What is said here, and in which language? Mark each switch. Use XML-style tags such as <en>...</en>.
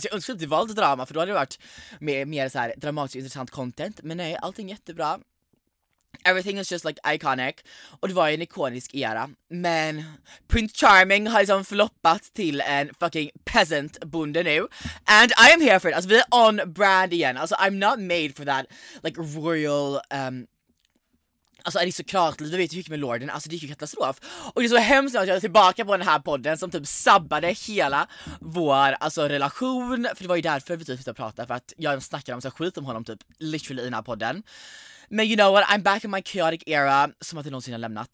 <sv>Så jag önskar att det valde drama, för då hade det varit mer så här dramatiskt intressant content. Men nej, allting jättebra.</sv> <en>Everything is just like iconic.</en> <sv>Och det var en ikonisk era. Men Prince Charming har liksom floppat till en fucking peasant bonde nu.</sv> <en>And I am here for it.</en> <sv>Alltså vi är on brand igen.</sv> <en>Alltså I'm not made for that like royal...</en> <sv>Alltså är det såklart, du vet hur mycket med lorden, alltså det gick ju katastrof. Och det är så hemskt att jag är tillbaka på den här podden som typ sabbade hela vår alltså relation. För det var ju därför vi typ fick prata, för att jag snackade om så skit om honom typ literally i den här podden.</sv> <en>Men you know what, I'm back in my chaotic era,</en> <sv>som att jag någonsin har lämnat.</sv>